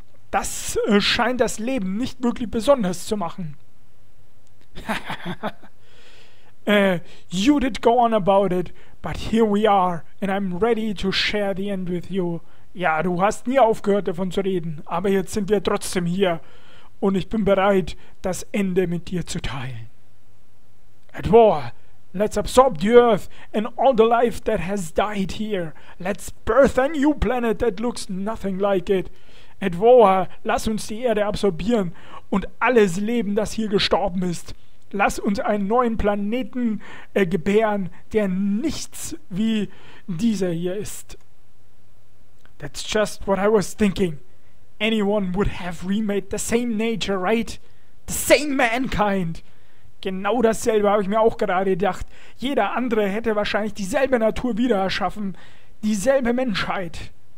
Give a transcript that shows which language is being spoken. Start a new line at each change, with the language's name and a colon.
German: Das scheint das Leben nicht wirklich besonders zu machen.
English: you did go on about it, but here we are, and I'm ready to share the end with you.
German: Ja, du hast nie aufgehört, davon zu reden, aber jetzt sind wir trotzdem hier und ich bin bereit, das Ende mit dir zu teilen.
English: At war, let's absorb the Earth and all the life that has died here. Let's birth a new planet that looks nothing like it.
German: At war, lass uns die Erde absorbieren und alles Leben, das hier gestorben ist. Lass uns einen neuen Planeten gebären, der nichts wie dieser hier ist.
English: That's just what I was thinking. Anyone would have remade the same nature, right? The same mankind.
German: Genau dasselbe habe ich mir auch gerade gedacht. Jeder andere hätte wahrscheinlich dieselbe Natur wieder erschaffen. Dieselbe Menschheit.